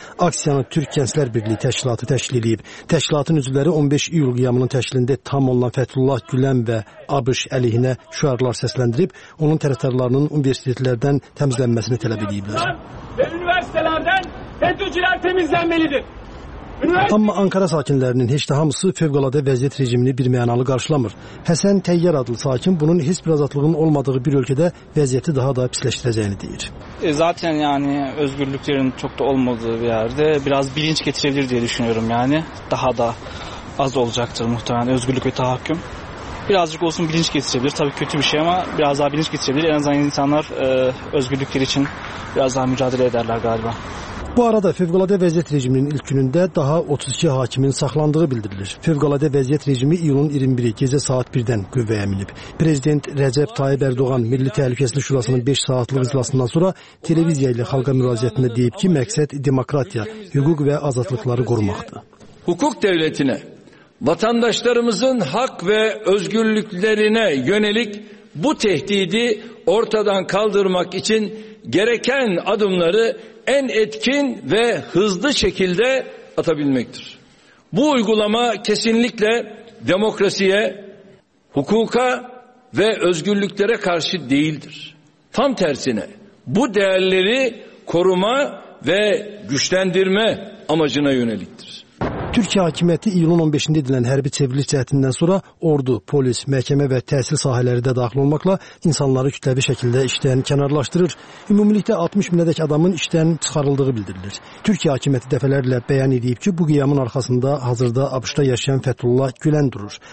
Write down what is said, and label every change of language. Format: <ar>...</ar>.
<az>Aksiyanı Türk Gənclər Birliyi təşkilatı təşkil edib. Təşkilatın üzvləri 15 iyul qiyamının təşkilində tam olan Fətullah Gülən və ABŞ əleyhinə şüarlar səsləndirib, onun tərəfdarlarının universitetlərdən təmizlənməsini tələb ediblər. Və universitetlərdən FETÖ-cülər təmizlənməlidir. Amma Ankara sakinlerinin heç də hamısı fövqəladə vəziyyət rejimini bir mənalı qarşılamır. Həsən Təyyar adlı sakin bunun heç bir azadlığın olmadığı bir ölkədə vəziyyəti daha da pisləşdirəcəyini deyir.</az> <tr>Zaten yani özgürlüklerin çok da olmadığı bir yerde biraz bilinç getirebilir diye düşünüyorum yani. Daha da az olacaktır muhtemelen özgürlük ve tahakküm. Birazcık olsun bilinç getirebilir. Tabii kötü bir şey ama biraz daha bilinç getirebilir. En azından insanlar özgürlükleri için biraz daha mücadele ederler galiba.</tr> <az>Bu arada fevkalade vəziyyət rejiminin ilk gününde daha 32 hakimin saxlandığı bildirilir. Fevkalade vəziyyət rejimi iyunun 21-i gecə saat 1-dən qüvvəyə minib. Prezident Rəcəb Tayyip Erdoğan Milli Təhlükəsizlik Şurasının 5 saatlıq iclasından sonra televiziya ilə xalqa müraciətində deyib ki, məqsəd demokratiya, hüquq və azadlıqları qorumaqdır.</az> <tr>Hüquq devletinə, vatandaşlarımızın hak ve özgürlüklerine yönelik bu tehdidi ortadan kaldırmak için gereken adımları en etkin ve hızlı şekilde atabilmektir. Bu uygulama kesinlikle demokrasiye, hukuka ve özgürlüklere karşı değildir. Tam tersine bu değerleri koruma ve güçlendirme amacına yöneliktir.</tr> <az>Türkiye hakimiyyəti iyulun 15-də edilən hərbi çevriliş cəhdindən sonra ordu, polis, məhkəmə və təhsil sahələri də daxil olmaqla insanları kütləvi şəkildə işdən kənarlaşdırır. Ümumilikdə 60 minədək adamın işdən çıxarıldığı bildirilir. Türkiye hakimiyyəti dəfələrlə bəyan edib ki, bu qiyamın arxasında hazırda ABŞ-da yaşayan Fətullah Gülən durur.</az>